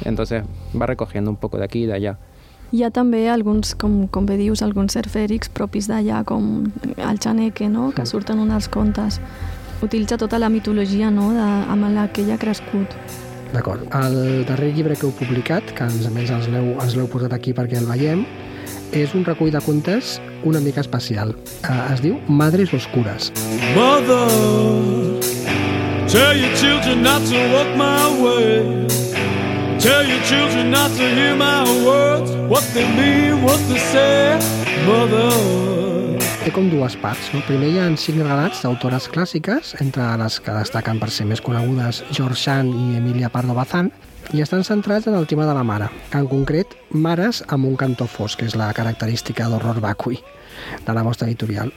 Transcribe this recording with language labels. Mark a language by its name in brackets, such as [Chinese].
[Spanish] Entonces va recogiendo un poco de aquí y de allá. [Catalan] Hi ha també alguns, com bé dius, alguns serfèrics propis d'allà, com el Xaneque, no? Que surten un dels contes. Utilitza tota la mitologia, no? Amb la que ella ha crescut. D'acord. El darrer llibre que heu publicat, que a més ens l'heu portat aquí perquè el veiem, és un recull de contes una mica especial. Es diu Madres Oscures. [English] Mother, tell your children not to walk my way. Tell your children not to hear my words, what they mean, what they say, mother. [Catalan] Té com dues parts, no? Primer hi ha cinc relats d'autores clàssiques, entre les que destaquen per ser més conegudes George Sand i Emilia Pardo Bazán, i estan centrats en el tema de la mare, que en concret, Mares amb un cantó fosc, que és la característica d'Horror Vacui de la vostra editorial.